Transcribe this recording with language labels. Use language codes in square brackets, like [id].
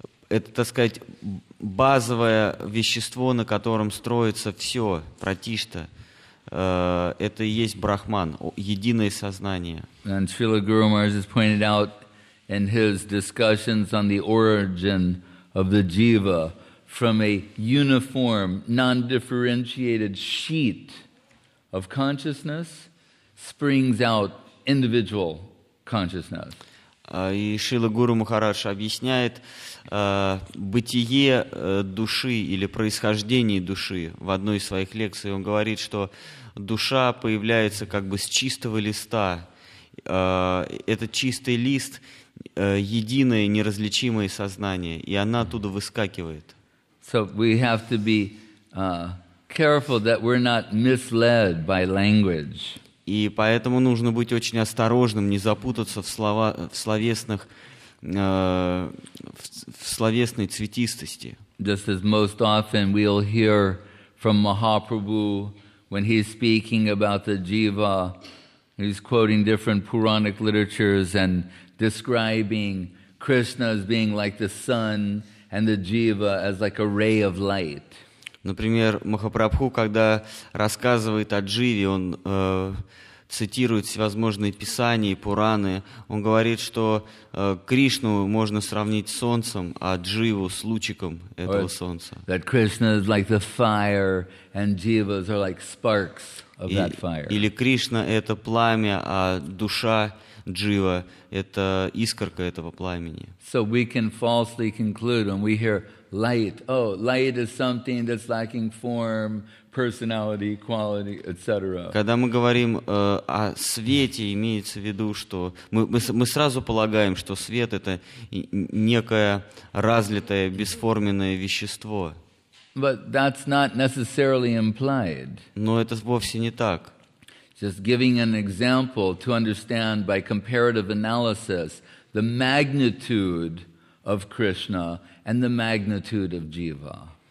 [ru] Это, так сказать, базовое вещество, на котором строится все, пратишта. Это и есть брахман, единое сознание. [en] And Srila Guru Maharaj has pointed out in his discussions on the origin of the jiva from a uniform, non-differentiated sheet of consciousness springs out individual consciousness. [ru] И Шрила Гуру Махарадж объясняет бытие души или происхождение души в одной из своих лекций. Он говорит, что душа появляется как бы с чистого листа. Этот чистый лист — единое неразличимое сознание, и она оттуда выскакивает. [en] So we have to be careful that we're not misled by language. [ru] И поэтому нужно быть очень осторожным, не запутаться в словесной цветистости. [en] Just as most often we'll hear from Mahaprabhu when he's speaking about the jiva, he's quoting different Puranic literatures and describing Krishna as being like the sun and the jiva as like a ray of light. [ru] Например, Махапрабху, когда рассказывает о дживе, он цитирует всевозможные писания и пураны. Он говорит, что Кришну можно сравнить с солнцем, а дживу с лучиком этого солнца. [en] That Krishna is like the fire and jivas are like sparks of that fire. [ru] Или Кришна это пламя, а душа джива это искорка этого пламени. [en] So we can falsely conclude when we hear light. Oh, light is something that's lacking form, personality, quality, etc. [ru] Когда мы говорим о свете, имеется в виду, что мы сразу полагаем, что свет это некое разлитое бесформенное вещество. [en] But that's not necessarily implied. [ru] Но это вовсе не так. [en] Just giving an example to understand by comparative analysis the magnitude of Krishna and the magnitude of jiva.